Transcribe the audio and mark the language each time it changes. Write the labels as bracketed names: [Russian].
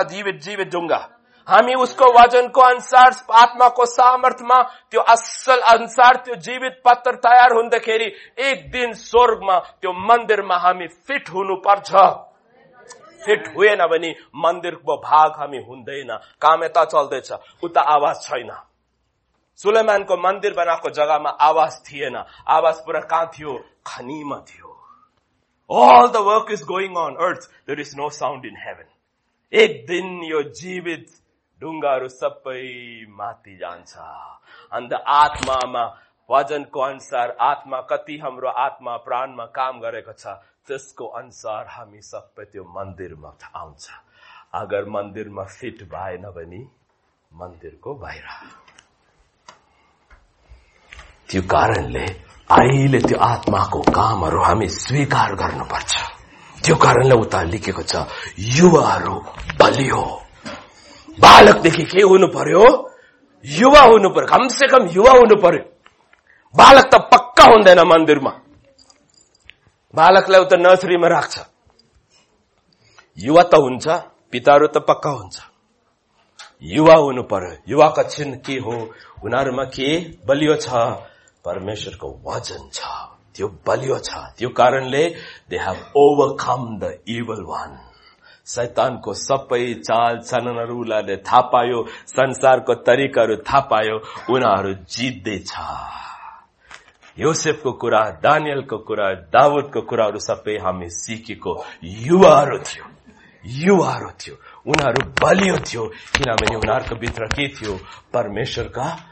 [Nepali] जीवित जीवित ढुङ्गा. हामी उसको वजनको अनुसार, आत्माको सामर्थ्यमा, त्यो असल अनुसार, त्यो जीवित पत्थर तयार हुँदाखेरि एक दिन स्वर्गमा, त्यो मन्दिरमा हामी फिट हुनुपर्छ. फिट हुएन भने मन्दिरको भाग हामी हुँदैन. काम यता चल्दैछ, उता आवाज छैन. सुलेमानको मन्दिर बनाएको जग्गामा आवाज थिएन. आवाज पुरा कहाँ थियो? खनीमा थियो. [English] All the work is going on earth. There is no sound in heaven. [Nepali] एक दिन यो जीवित ढुङ्गाहरू सबै माथि जान्छ. अन्त आत्मामा वजनको अनुसार, आत्मा कति हाम्रो आत्मा प्राणमा काम गरेको छ, त्यसको अनुसार हामी सबै त्यो मन्दिरमा आउँछ. अगर मन्दिरमा फिट भएन भने मन्दिरको बाहिर. त्यो कारणले अहिले त्यो आत्माको कामहरू हामी स्वीकार गर्नुपर्छ. त्यो कारणले उता लेखेको छ, युवाहरू बलियो. बालकदेखि के हुनु पर्यो? युवा हुनु पर्यो, कमसे कम युवा हुनु पर्यो. बालक त पक्का हुँदैन मन्दिरमा, बालकलाई उता नर्सरीमा राख्छ. युवा त हुन्छ, पिताहरू त पक्का हुन्छ. युवा हुनु पर्यो. युवाको चिन्ह के हो? उनीहरूमा के बलियो छ? परमेश्वरको वचन छ, त्यो बलियो छ. [English] त्यो कारणले they have overcome the evil one. [Nepali] शैतानको सबै चाल चलनहरू उनीहरूले थाहा पायो, संसारको तरिकाहरू थाहा पायो, उनीहरू जित्दैछ. योसेफको कुरा, दानियलको कुरा, दाउदको कुराहरू सबै हामी सिकेको युवाहरू थियो, युवाहरू थियो. उनीहरू बलियो थियो किनभने उनीहरूको भित्र के थियो? परमेश्वरका